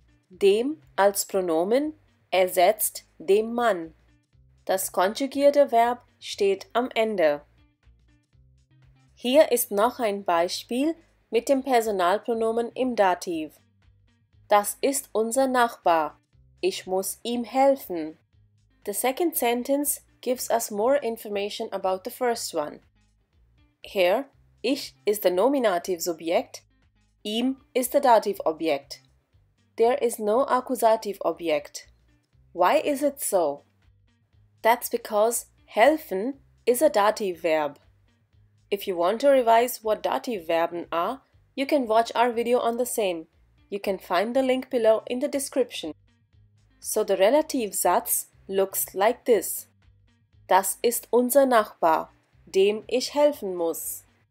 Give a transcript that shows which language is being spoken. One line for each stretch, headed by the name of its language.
German: Dem als Pronomen ersetzt dem Mann. Das konjugierte Verb steht am Ende. Hier ist noch ein Beispiel mit dem Personalpronomen im Dativ. Das ist unser Nachbar. Ich muss ihm helfen.
English: The second sentence gives us more information about the first one. Here, ich is the nominative subject, ihm is the dative object. There is no accusative object. Why is it so? That's because helfen is a dative verb. If you want to revise what dative verben are, you can watch our video on the same. You can find the link below in the description. So the Relativsatz looks like this.
German: Das ist unser Nachbar, dem ich helfen muss.